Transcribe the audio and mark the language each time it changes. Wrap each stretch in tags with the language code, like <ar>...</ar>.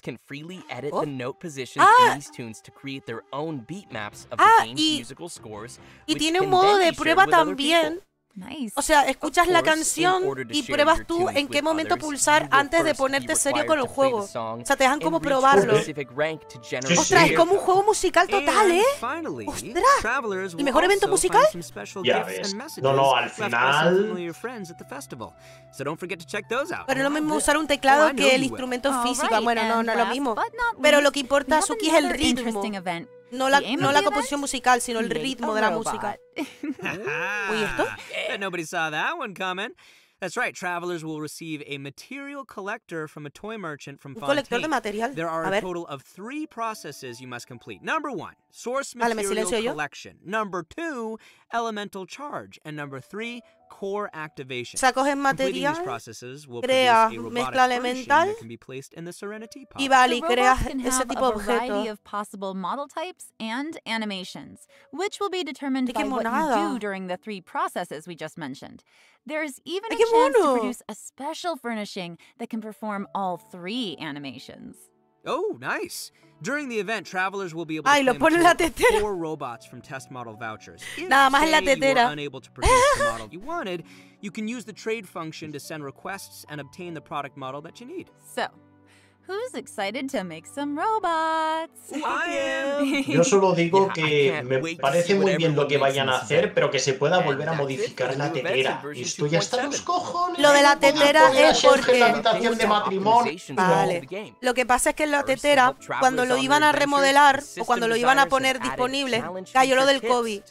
<en>can freely edit the note positions in these tunes to create their own beat maps of the game's musical scores.</en> <es>Y tiene un modo de prueba también.</es> <en>Nice.</en> <es>O sea, escuchas la canción y pruebas tú en qué momento pulsar antes de ponerte serio con el juego. O sea, te dejan como probarlo. Ostras, es como un juego musical total, ¿eh? Ostras. ¿Y mejor evento musical? Ya ves. No, no, al final. Pero no es lo mismo usar un teclado que el instrumento físico. Bueno, no, no es lo mismo. Pero lo que importa, Suki, es el ritmo. No la composición musical, sino el ritmo de la música. ¿Oye esto?</es> <en>Nobody saw that one coming. That's right. Travelers will receive a material collector from a toy merchant from Fontaine.</en> <es>Un colector de material.</es> <en>There are</en> <es>a ver.</es> <en>Total of three processes you must complete. Number one, source material collection. Number two, elemental charge. And number three, core activation.</en> <es>O sea, coges material, crea mezcla elemental y vale, crea ese tipo de objeto.</es> <en>Of possible model types and animations, which will be determined by what you do during the three processes we just mentioned. There's even a chance to produce a special furnishing that can perform all three animations. Oh, nice. During the event, travelers will be able</en> <es>ay,</es> <en>to claim four robots from test model vouchers.</en> <es>Nada más en la tetera.</es> <en>Unable to produce the model you wanted, you can use the trade function to send requests and obtain the product model that you need. So, who's excited to make some robots? I am.</en> <es>Yo solo digo que me parece muy bien lo que vayan a hacer, pero que se pueda volver a modificar la tetera. Y estoy hasta los cojones. Lo de la tetera es porque... La habitación de matrimonio. Vale. Lo que pasa es que en la tetera, cuando lo iban a remodelar o cuando lo iban a poner disponible, cayó lo del COVID.</es>